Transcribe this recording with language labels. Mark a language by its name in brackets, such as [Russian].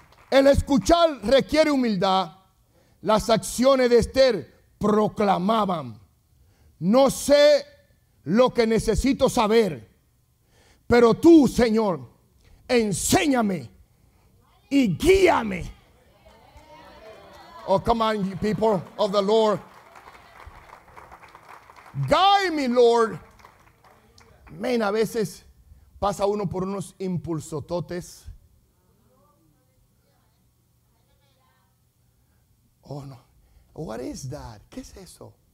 [Spanish] El escuchar requiere humildad. Las acciones de Esther proclamaban: no sé lo que necesito saber, pero tú, Señor, enséñame y guíame. [English] Oh, come on, you people of the Lord. Guide me, Lord. [Spanish] Man, a veces pasa uno por unos impulsototes. [English] Oh, no. What is that? ¿Qué es eso?